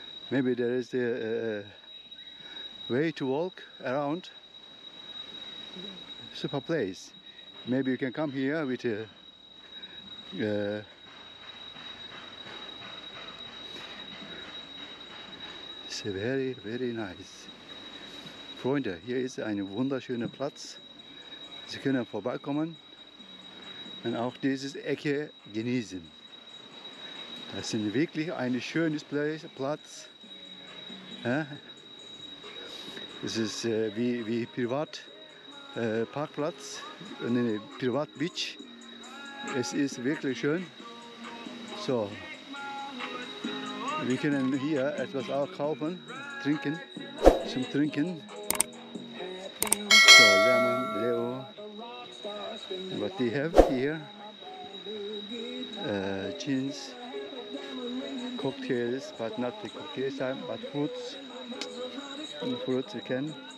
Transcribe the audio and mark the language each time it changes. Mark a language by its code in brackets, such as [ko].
[en] Maybe there is a way to walk around. Super place. Maybe you can come here with a it's very, very nice. [de] Freunde, hier ist ein wunderschöner Platz. Sie können vorbeikommen und auch diese Ecke genießen. Das ist wirklich ein schönes Platz. Es ist wie Privat Parkplatz und eine Privat Beach. Es ist wirklich schön. So. Wir können hier etwas auch kaufen, trinken, zum Trinken. [en] So, Lemon, Leo, what they have here, jeans, cocktails, but not the cocktails, but fruits, and fruits you can.